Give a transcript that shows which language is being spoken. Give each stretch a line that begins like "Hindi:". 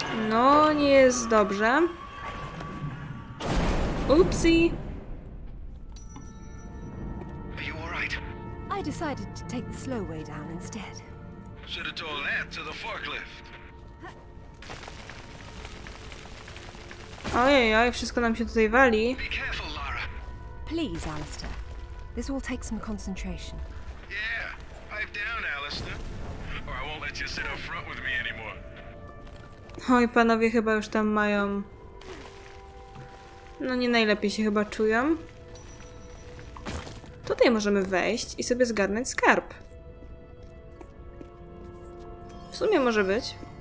Polish: No, nie jest dobrze. Upsi.
English: Are you all right? I decided to take the slow way down instead. Should have told that to the forklift.
Polish: Ojej, wszystko nam się tutaj wali.
English: Be careful, Lara. Please, Alistair. This will take some concentration. Yeah, pipe down, Alistair. Or I won't let you sit up front with me anymore.
Polish: Oj, panowie chyba już tam mają... No nie najlepiej się chyba czują. Tutaj możemy wejść i sobie zgarnąć skarb. W sumie może być.